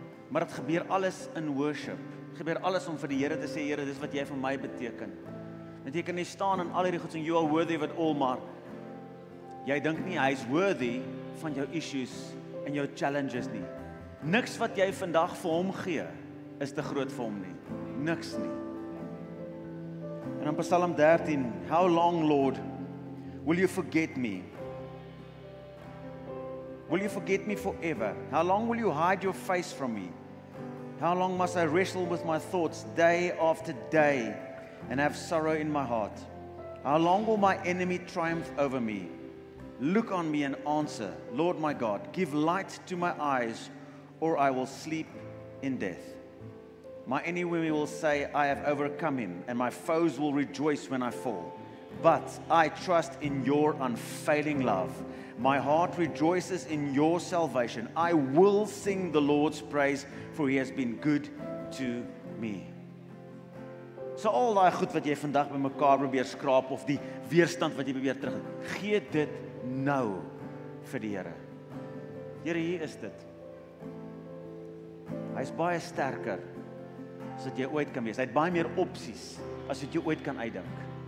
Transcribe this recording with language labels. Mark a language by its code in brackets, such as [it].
[af] Maar dit gebeur alles in worship. Gebeur alles om vir die Here te sê, Here, dis wat jy vir my beteken. Want jy kan nie staan in al hierdie goed en [en] you are worthy of it all, [af] maar jy dink nie hy's worthy van jou issues en jou challenges nie. Niks wat jy vandag vir hom gee, is te groot vir hom nie. Niks nie. En in [en] Psalm 13, how long, Lord, will you forget me? Will you forget me forever? How long will you hide your face from me? How long must I wrestle with my thoughts day after day and have sorrow in my heart? How long will my enemy triumph over me? Look on me and answer, Lord my God, give light to my eyes or I will sleep in death. My enemy will say, I have overcome him, and my foes will rejoice when I fall. But I trust in your unfailing love. My heart rejoices in your salvation. I will sing the Lord's praise, for he has been good to me. [af] So al daai goed wat jy vandag by mekaar probeer skraap, of die weerstand wat jy probeer terug, gee dit nou vir die Here. Here, hier is dit. Hy is baie sterker as wat jy ooit kan wees. Hy het baie meer opsies as wat jy ooit kan uitdink.